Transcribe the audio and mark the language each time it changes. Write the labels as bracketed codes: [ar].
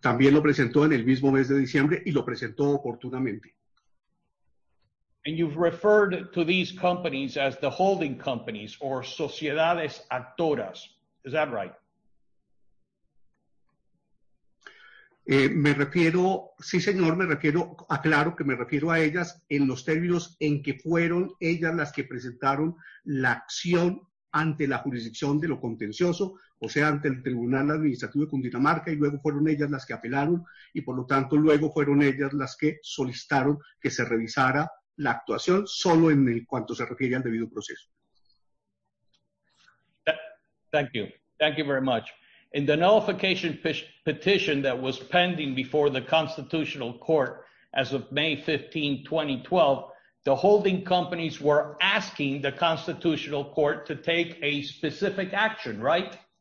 [es] También lo presentó en el mismo mes de diciembre y lo presentó oportunamente. [en] And you've referred to these companies as the holding companies or [es] sociedades actoras. [en] Is that right? [es] Me refiero, sí, señor, me refiero, aclaro que me refiero a ellas en los términos en que fueron ellas las que presentaron la acción ante la jurisdicción de lo contencioso, o sea, ante el Tribunal Administrativo de Cundinamarca, y luego fueron ellas las que apelaron, y por lo tanto luego fueron ellas las que solicitaron que se revisara la actuación solo en el cuanto se refiere al debido proceso. [en] Thank you. Thank you very much. In the nullification petition that was pending before the Constitutional Court as of May 15, 2012, the holding companies were asking the Constitutional Court to take a specific action, right?